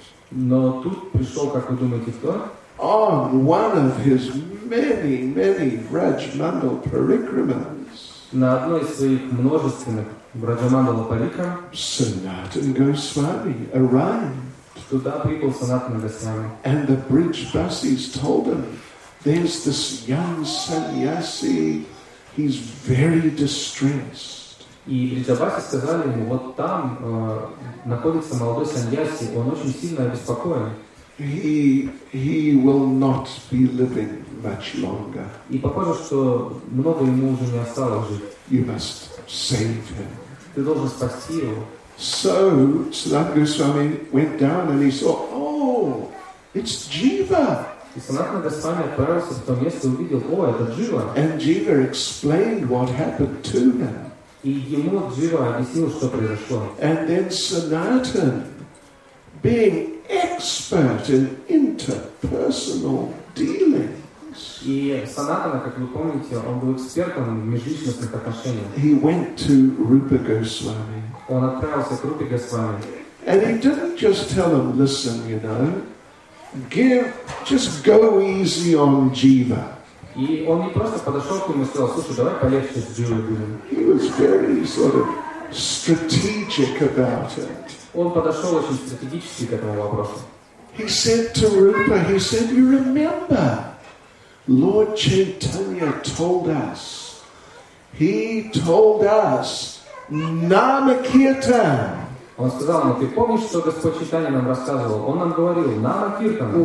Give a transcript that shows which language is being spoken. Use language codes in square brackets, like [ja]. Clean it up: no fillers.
[ru] Но тут пришел, как вы думаете, кто? [en] On one of his many, many Раджмандал Парикрамас. [ru] На одной из своих множественных Раджмандал Парикрам. [en] Санатан Госвами arrived. [ru] Туда прибыл Санатан Госвами. [en] And the Бриджбасис told him, there's this young sannyasi, he's very distressed. [ru] И Бриджбаси сказали ему, вот там находится молодой саньяси, он очень сильно обеспокоен. [en] He will not be living much longer. [ru] И похоже, что много ему уже не осталось жить. [en] You must save him. [ru] Ты должен спасти его. [en] So Санатана Госвами went down and he saw, oh, it's Jiva. [ru] И Санатана Госвами отправился в то место и увидел, о, это Джива. [en] And Jiva explained what happened to him. [ru] И ему Джива объяснил, что произошло. [en] And then Sanatan, being expert in interpersonal dealings. [ru] И Санатана, как вы помните, он был экспертом в межличностных отношениях. [en] He went to Rupa Goswami. [ru] Он отправился к Рупе Госвами. [en] And he didn't just tell him, listen, you know, just go easy on Jiva. [ru] И он не просто подошел к нему и сказал, слушай, давай полегче с Дживой будем. [en] He was very sort of strategic about it. [ru] Он подошел очень стратегически к этому вопросу. [en] He said to Rupa, he said, you remember, Lord Chaitanya told us, Namakirtan. [ru] Он сказал, ну ты помнишь, что Господь Чайтанья нам рассказывал? Он нам говорил, Намакиртан.